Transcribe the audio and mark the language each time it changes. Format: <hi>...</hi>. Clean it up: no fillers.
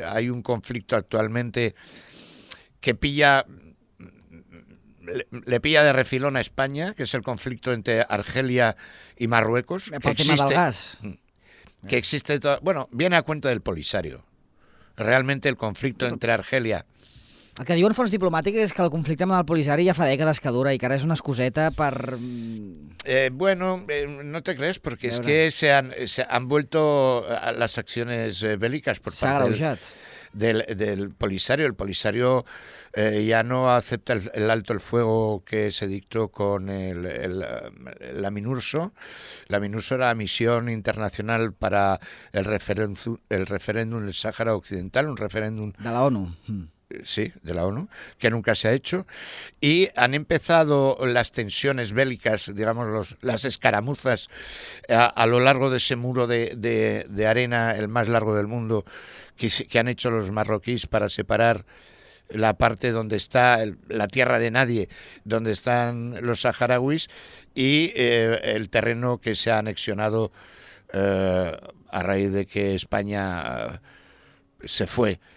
<es>Hay un conflicto actualmente que le pilla de refilón a España, que es el conflicto entre Argelia y Marruecos. Por el tema del gas. Que existe todo. Bueno, viene a cuenta del Polisario. Realmente el conflicto entre Argelia...</es> <ca>El que diuen fonts diplomàtiques és que el conflicte amb el Polisari ja fa dècades que dura i que ara és una excuseta per...</ca> <es>No te crees,</es> <ca>perquè és</ca> <es>que se han vuelto</es> <ca>les accions bèl·liques per part del</ca> <es>Polisario. El Polisario ya no acepta el alto el fuego que se dictó con la MINURSO. La MINURSO era la misión internacional para el referéndum del Sáhara Occidental, un referéndum... De la ONU. Sí, de la ONU, que nunca se ha hecho, y han empezado las tensiones bélicas, digamos, las escaramuzas a lo largo de ese muro de arena, el más largo del mundo, que han hecho los marroquíes para separar la parte donde está la tierra de nadie, donde están los saharauis, y el terreno que se ha anexionado a raíz de que España se fue.</es>